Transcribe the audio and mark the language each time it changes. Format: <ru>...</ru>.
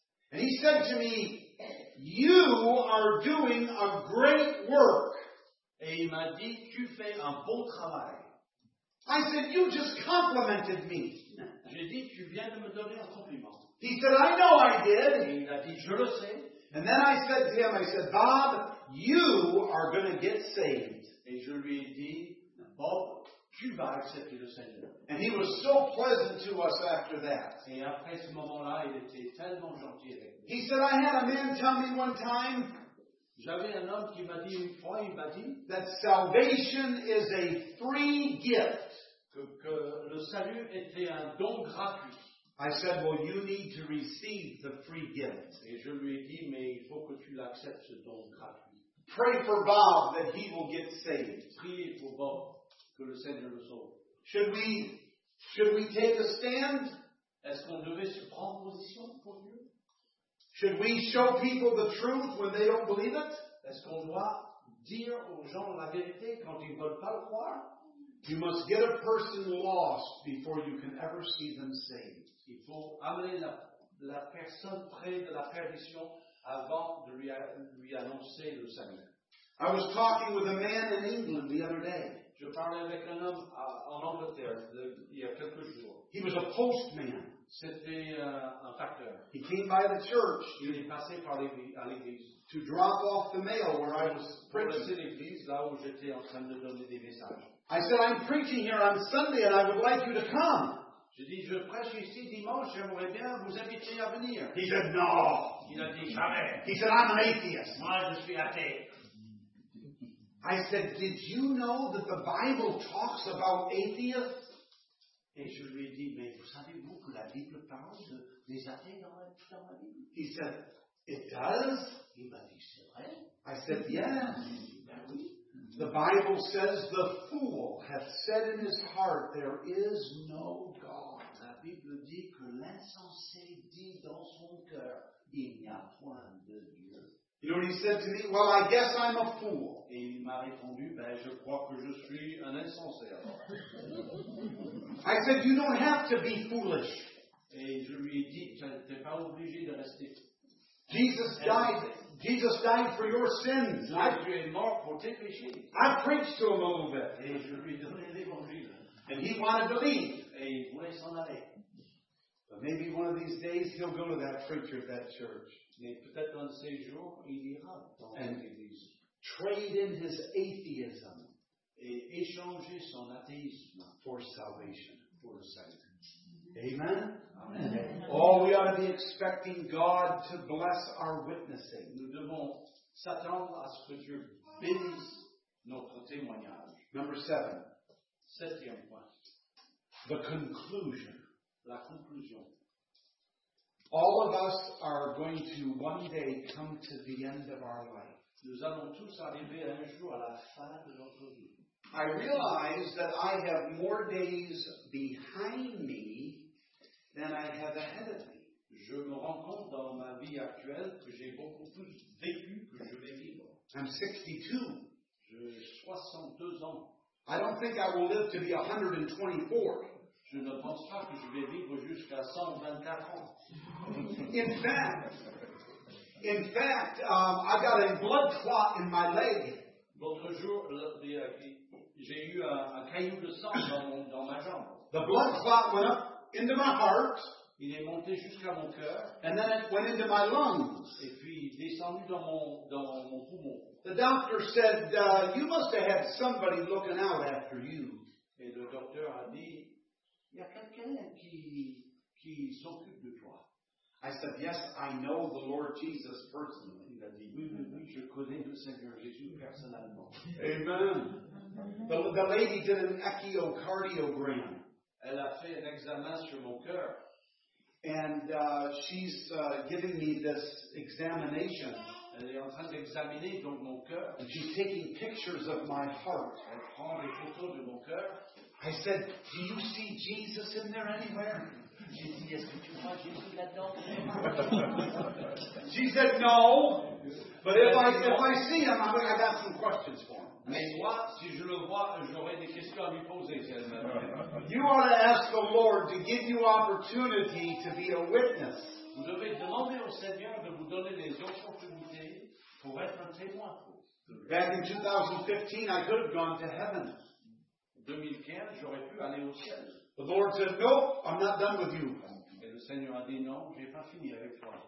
<en>And he said to me, you are doing a great work.</en> <fr>Et il m'a dit, tu fais un beau travail.</fr> <en>I said, you just complimented me.</en> <fr>J'ai dit, tu viens de me donner un compliment.</fr> <en>He said, I know I did.</en> <fr>Et il a dit, je le sais.</fr> <en>And then I said to him, I said, Bob, you are going to get saved.</en> <fr>Et je lui ai dit, Bob, tu vas accepter le Seigneur.</fr> <en>And he was so pleasant to us after that.</en> <fr>Et après ce moment-là, il était tellement gentil avec nous.</fr> <en>He said, I had a man tell me one time.</en> <fr>J'avais un homme qui m'a dit une fois, il m'a dit,</fr> <en>that salvation is a free gift.</en> <fr>Que le salut était un don gratuit.</fr> <en>I said, well, you need to receive the free gift.</en> <fr>Et je lui ai dit, mais il faut que tu l'acceptes ce don gratuit.</fr> <en>Pray for Bob that he will get saved.</en> <fr>Priez pour Bob que le Seigneur le sauve.</fr> <en>Should we take a stand?</en> <fr>Est-ce qu'on devait se prendre position pour Dieu?</fr> <en>Should we show people the truth when they don't believe it?</en> <fr>Est-ce qu'on doit dire aux gens la vérité quand ils ne veulent pas le croire?</fr> <en>You must get a person lost before you can ever see them saved.</en> <fr>Il faut amener la personne près de la perdition avant de lui annoncer le salut.</fr> <en>I was talking with a man in England the other day.</en> <fr>Je parlais avec un homme en Angleterre il y a quelques jours.</fr> <en>He was a postman.</en> <fr>C'était un facteur.</fr> <en>He came by the church.</en> <fr>Il est passé par l'église.</fr> <en>To drop off the mail where I was preaching.</en> <fr>L'église, là où j'étais en train de donner des messages.</fr> <en>I said, I'm preaching here on Sunday and I would like you to come.</en> <fr>Je dis, je prêche ici dimanche, j'aimerais bien vous inviter à venir.</fr> <en>He said, no.</en> <fr>Il a dit, jamais.</fr> <en>He said, I'm an atheist.</en> <fr>Moi, je suis athée.</fr> <en>I said, did you know that the Bible talks about atheists?</en> <fr>Et je lui ai dit, mais vous savez-vous que la Bible parle des athées dans la Bible?</fr> <en>He said, it does.</en> <fr>Il m'a dit, c'est vrai.</fr> <en>I said, yes.</en> <fr>Ben oui.</fr> <en>The Bible says the fool hath said in his heart, there is no God.</en> <fr>La Bible dit que l'insensé dit dans son cœur, il n'y a point de Dieu.</fr> <en>You know what he said to me? Well, I guess I'm a fool.</en> <fr>Et il m'a répondu, ben je crois que je suis un insensé alors.</fr> <en>I said, you don't have to be foolish.</en> <fr>Et je lui ai dit, tu n'es pas obligé de rester fou.</fr> <en>Jesus died for your sins.</en> <fr>Jésus est mort pour tes péchés.</fr> <en>I preached to him a little bit.</en> <fr>Et je lui ai donné l'évangile.</fr> <en>And he wanted to leave.</en> <fr>Et il voulait s'en aller.</fr> <en>But maybe one of these days he'll go to that preacher at that church.</en> <fr>Et peut-être un de ces jours, il ira dans l'église.</fr> <en>Trade in his atheism.</en> <fr>Et échanger son athéisme.</fr> <en>For salvation.</en> <fr>Pour le salut.</fr> <en>Amen.</en> <fr>Amen.</fr> <en>Oh, we ought to be expecting God to bless our witnessing.</en> <fr>Nous devons s'attendre à ce que Dieu bénisse notre témoignage.</fr> <en>Number seven.</en> <fr>Septième point.</fr> <en>The conclusion.</en> <fr>La conclusion.</fr> <en>All of us are going to one day come to the end of our life.</en> <fr>Nous allons tous arriver un jour à la fin de notre vie.</fr> <en>I realize that I have more days behind me than I have ahead of me.</en> <fr>Je me rends compte dans ma vie actuelle que j'ai beaucoup plus vécu que je vais vivre.</fr> <en>I'm 62.</en> <fr>J'ai 62 ans.</fr> <en>I don't think I will live to be 124.</en> <fr>Je ne pense pas que je vais vivre jusqu'à 124 ans.</fr> <en>In fact, I got a blood clot in my leg.</en> <fr>L'autre jour, j'ai eu un caillou de sang dans ma jambe.</fr> <en>The blood clot went up into my heart.</en> <fr>Il est monté jusqu'à mon cœur.</fr> <en>And then it went into my lungs.</en> <fr>Et puis il est descendu dans mon poumon.</fr> <en>The doctor said, you must have had somebody looking out after you.</en> <fr>Et le docteur a dit, il y a quelqu'un qui s'occupe de toi.</fr> <en>I said, yes, I know the Lord Jesus personally.</en> <fr>Il a dit, oui, je connais le Seigneur Jésus personnellement.</fr> <en>Amen. The lady did an echocardiogram.</en> <fr>Elle a fait un examen sur mon cœur.</fr> <en>And she's giving me this examination.</en> <fr>Elle est en train d'examiner donc mon cœur.</fr> <en>And she's taking pictures of my heart.</en> <fr>Elle prend des photos de mon cœur.</fr> <en>I said, do you see Jesus in there anywhere?</en> <fr>J'ai dit, est-ce que tu vois Jésus là-dedans?</fr> <en>She said, no. But if I see him, I got some questions for him.</en> <fr>Mais moi, si je le vois, j'aurai des questions à lui poser.</fr> <en>You ought to ask the Lord to give you opportunity to be a witness.</en> <fr>Vous devez demander au Seigneur de vous donner les opportunités pour être un témoin.</fr> <en>Back in 2015, I could have gone to heaven.</en> <fr>2015, j'aurais pu aller au ciel.</fr> <en>The Lord said, nope, I'm not done with you.</en> <fr>Et le Seigneur a dit, non, j'ai pas fini avec toi.</fr>